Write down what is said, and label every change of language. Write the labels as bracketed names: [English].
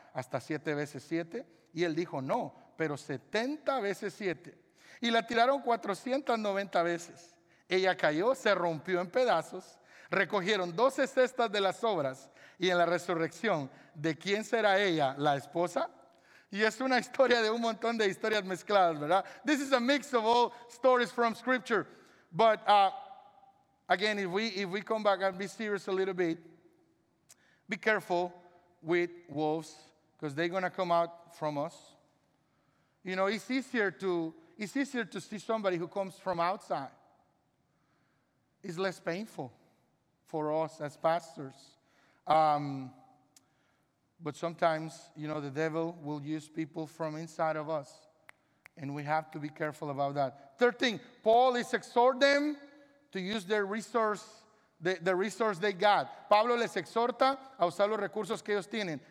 [Spanish] ¿Hasta 7 veces 7? Y él dijo, no, pero 70 veces 7. Y la tiraron 490 veces. Ella cayó, se rompió en pedazos. Recogieron 12 cestas de las sobras. Y en la resurrección, ¿de quién será ella, la esposa? Y es una historia de un montón de historias mezcladas, ¿verdad? [English] This is a mix of all stories from Scripture. But again, if we come back and be serious a little bit, be careful with wolves, because they're going to come out from us. You know, it's easier to see somebody who comes from outside. It's less painful for us as pastors. But sometimes, you know, the devil will use people from inside of us, and we have to be careful about that. Third thing, Paul is exhort them to use their resource. The resource they got. [Spanish] Pablo les exhorta a usar los recursos que ellos tienen.